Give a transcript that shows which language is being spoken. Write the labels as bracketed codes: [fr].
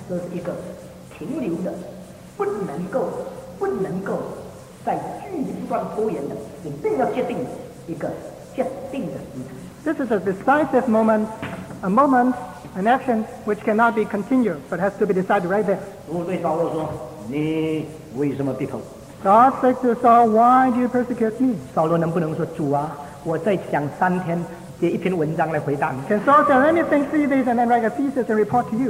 [zh] 这是一个停留的，不能够在距离上拖延的，一定要决定一个决定的。 [en] This is a decisive moment, a moment, an action which cannot be continued, but has to be decided right there. [zh] 我对保罗说：“你为什么低头？” [en] God said to Saul, "Why do you persecute me?" [zh] 扫罗能不能说主啊，我在想三天。写一篇文章来回答你。 [en] Can Saul say anything 3 days and then write a thesis and report to you?